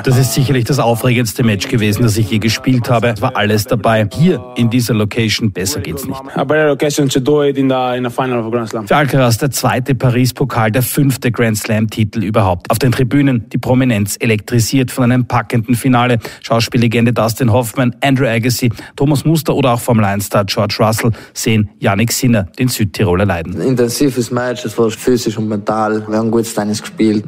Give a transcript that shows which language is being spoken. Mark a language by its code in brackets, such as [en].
[de] Das ist sicherlich das aufregendste Match gewesen, das ich je gespielt habe. Es war alles dabei. Hier in dieser Location, besser geht's nicht. [en] A better occasion to do it in the final of a Grand Slam. [de] Für Alcaraz der 2. Paris-Pokal, der 5. Grand Slam-Titel überhaupt. Auf den Tribünen die Prominenz elektrisiert von einem Pack Finale. Schauspiellegende Dustin Hoffman, Andrew Agassi, Thomas Muster oder auch Formel 1-Star George Russell sehen Jannik Sinner, den Südtiroler, leiden. Ein intensives Match, es war physisch und mental. Wir haben gutes Tennis gespielt.